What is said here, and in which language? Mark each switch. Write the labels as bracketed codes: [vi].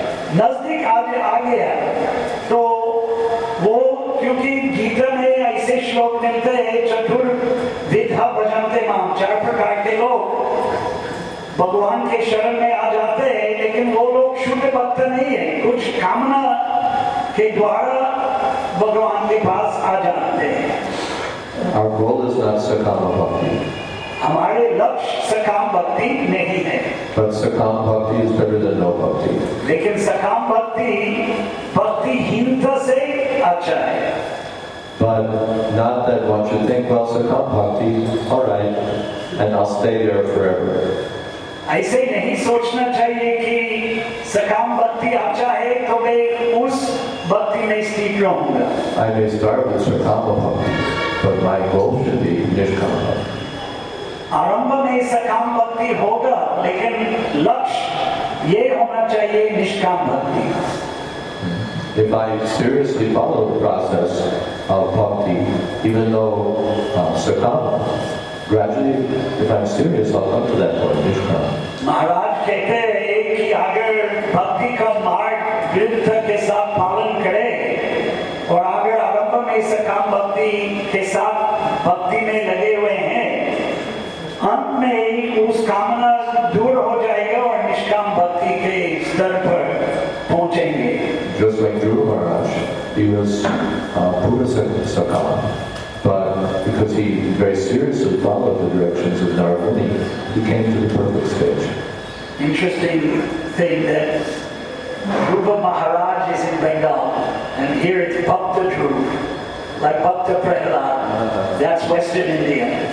[hi] नजदीक आगे आ गया तो वो क्योंकि गीता में ऐसे श्लोक मिलते हैं चतुर विधा भजनते माम चार प्रकार के लोग भगवान के शरण में आ जाते हैं लेकिन वो लोग शुद्ध भक्त नहीं है कुछ कामना के द्वारा भगवान के पास आ जाते हैं हमारे लक्ष्य सकाम भक्ति नहीं है [en] But sakam bhakti is better than no bhakti. [hi] लेकिन सकाम भक्ति भक्ति हीनता से अच्छा है. [en] But not that one should think, well, sakam bhakti, all right, and I'll stay there forever. [hi] ऐसे नहीं सोचना चाहिए कि सकाम भक्ति अच्छा है तो मैं उस भक्ति में स्थित रहूंगा. [en] I may start with sakam bhakti, but my goal should be nishkam bhakti. [hi] आरंभ में सकाम भक्ति होगा लेकिन लक्ष्य ये होना चाहिए निष्काम भक्ति [en] If I seriously follow the process of bhakti, even though sakam, gradually, if I'm serious, I'll come to that point, Nishkam. [hi] Maharaj कहते हैं कि अगर भक्ति का मार्ग वृद्ध के साथ पालन करे और अगर आरंभ में सकाम भक्ति के साथ भक्ति में लगे हुए हैं अंत में उस कामना दूर हो जाएगा और निष्काम भक्ति के स्तर पर पहुंचेंगे [en] Just like Guru Maharaj, he was Purusa Sakama, but because he very seriously followed the directions of Narayana, he came to the perfect stage. Interesting thing that Rupa Maharaj is in Bengal, and here it's Bhakta Dhruv, like Bhakta Prahlad, that's Western India.